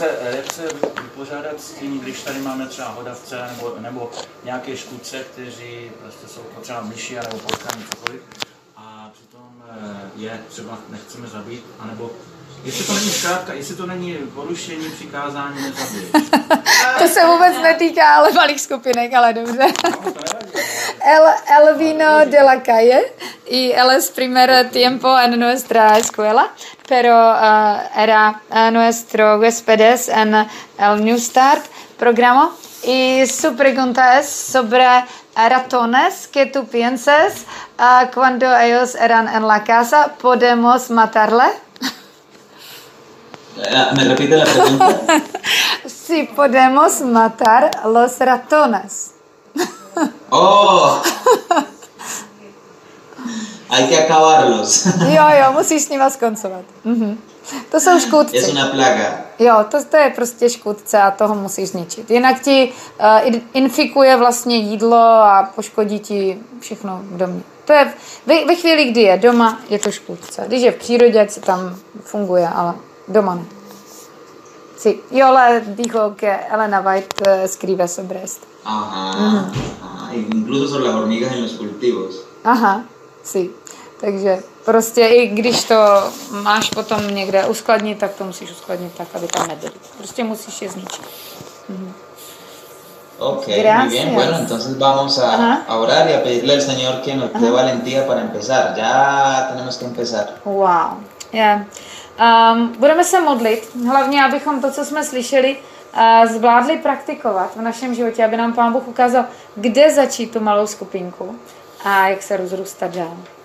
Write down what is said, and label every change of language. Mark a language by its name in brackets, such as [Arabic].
[Czech] Jak se vypořádat s tím, když tady máme třeba hodavce nebo nějaké škůdce, kteří prostě jsou potřeba myši nebo potkání cokoliv, a přitom je třeba nechceme zabít, anebo jestli to není porušení přikázání nezabít. To se vůbec netýká ale malých skupinek, ale dobře. [Spanish] El vino de la calle y él es primer tiempo en nuestra escuela, pero era nuestro huéspedes en el New Start programa. Y su pregunta es sobre ratones. ¿Qué tú piensas cuando ellos eran en la casa? ¿Podemos matarle? ¿Me repite la pregunta? Sí, podemos matar los ratones. Oh, hay que acabarlos. [Czech] Jo, musíš s nima skoncovat. To jsou škůdci. [Spanish] Es una plaga. [Czech] Jo, to je prostě škůdce a toho musíš zničit. Jinak ti infikuje vlastně jídlo a poškodí ti všechno v domě. To je ve chvíli, kdy je doma, je to škůdce. Když je v přírodě, to tam funguje, ale doma ne. [Spanish] Sí. Jo, ale dijo que Elena White escribe sobre esto. Ajá, incluso sobre las hormigas en los cultivos. Ajá, sí. [Czech] Takže prostě i když to máš potom někde uskladnit, tak to musíš uskladnit tak, aby tam nebyly. Prostě musíš je zničit. [Spanish] Ok, gracias. Muy bien. Bueno, entonces vamos a orar y a pedirle al Señor que nos dé valentía para empezar. Ya tenemos que empezar. Wow, yeah. [Czech] Budeme se modlit, hlavně abychom to, co jsme slyšeli, zvládli praktikovat v našem životě, aby nám Pán Bůh ukázal, kde začít tu malou skupinku a jak se rozrůstat dál.